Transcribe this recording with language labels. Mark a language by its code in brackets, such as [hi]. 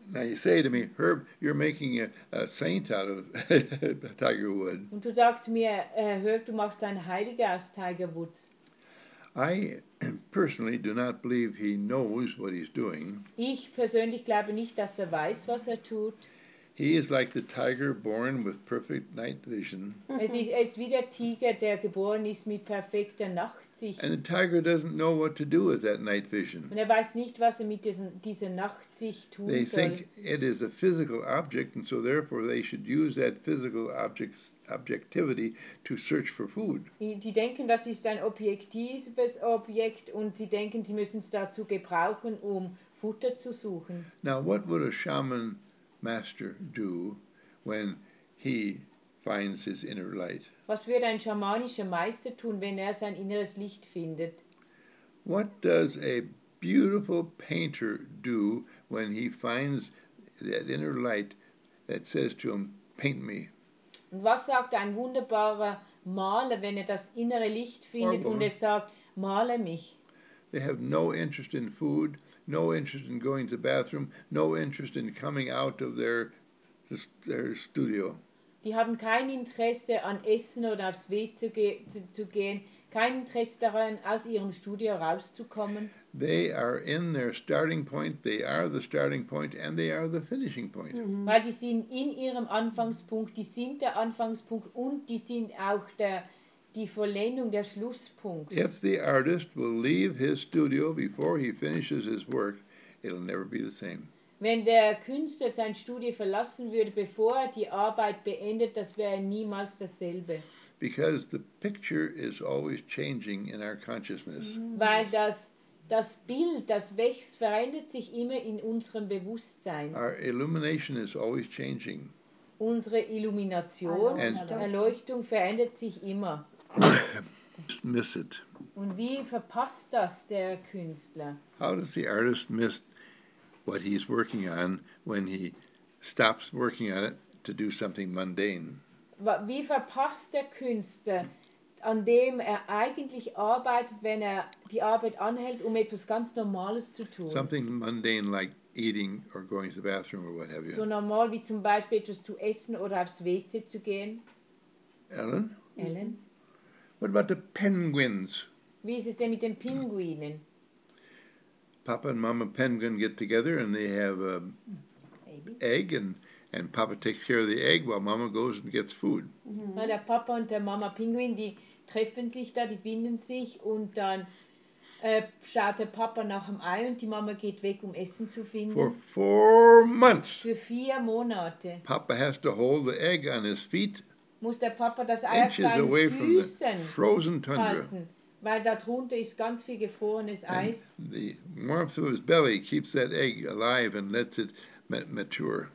[en] Now you say to me, Herb, you're making a saint out of Tiger Woods. [de] Und du sagst mir, Herb, du machst einen Heiligen aus Tiger Woods. [en] I personally do not believe he knows what he's doing. [de] Ich persönlich glaube nicht, dass er weiß, was er tut. [en] He is like the tiger born with perfect night vision. [de] Er ist wie der Tiger, der geboren ist mit perfekter Nachtsicht. [en] And the tiger doesn't know what to do with that night vision. [de] Und er weiß nicht, was er mit dieser Nachtsicht tun soll. [en] They think it is a physical object, and so therefore they should use that physical objectivity to search for food. [de] Die denken, das ist ein objektives Objekt, und sie denken, sie müssen es dazu gebrauchen, um Futter zu suchen. [en] Now, what would a shaman master do when he finds his inner light? [de] Was wird ein schamanischer Meister tun, wenn er sein inneres Licht findet? [en] What does a beautiful painter do when he finds that inner light that says to him, paint me? [de] Und was sagt ein wunderbarer Maler, wenn er das innere Licht findet und es sagt, male mich? [en] They have no interest in food, no interest in going to the bathroom, no interest in coming out of their studio. [de] Die haben kein Interesse an Essen oder aufs WC zu gehen, kein Interesse daran, aus ihrem Studio rauszukommen. [en] They are in their starting point, they are the starting point, and they are the finishing point. Mm-hmm. [de] Weil die sind in ihrem Anfangspunkt, die sind der Anfangspunkt und die sind auch die Vollendung, der Schlusspunkt. [en] If the artist will leave his studio before he finishes his work, it'll never be the same. [de] Wenn der Künstler sein Studio verlassen würde, bevor er die Arbeit beendet, das wäre niemals dasselbe. [en] Because the picture is always changing in our consciousness. Mm-hmm. [de] Weil das Bild, das wächst, verändert sich immer in unserem Bewusstsein. [en] Our illumination is always changing. [de] Unsere Illumination, Erleuchtung verändert sich immer. [en] Miss it. [de] Und wie verpasst das der Künstler? [en] How does the artist miss what he's working on when he stops working on it to do something mundane? [de] Wie verpasst der Künstler, an dem er eigentlich arbeitet, wenn er die Arbeit anhält, um etwas ganz Normales zu tun? [en] Something mundane like eating or going to the bathroom or what have you. [de] So normal wie zum Beispiel etwas zu essen oder aufs WC zu gehen. [en] Ellen? Mm-hmm. What about the penguins? [de] Wie ist es denn mit den Pinguinen? [en] Papa and Mama Penguin get together and they have a egg and Papa takes care of the egg while Mama goes and gets food. Mm-hmm. [de] Na, der Papa und der Mama Pinguin, die treffen sich da, die binden sich und dann schaut der Papa nach dem Ei und die Mama geht weg, um Essen zu finden. [en] For 4 months. [de] Für 4 Monate. [en] Papa has to hold the egg on his feet. [de] Muss der Papa das Ei auf seinen [en] away [de] Füßen [en] frozen tundra. [de] Halten, weil darunter ist ganz viel gefrorenes Eis. [en] And the warmth of his belly keeps that egg alive and lets it mature.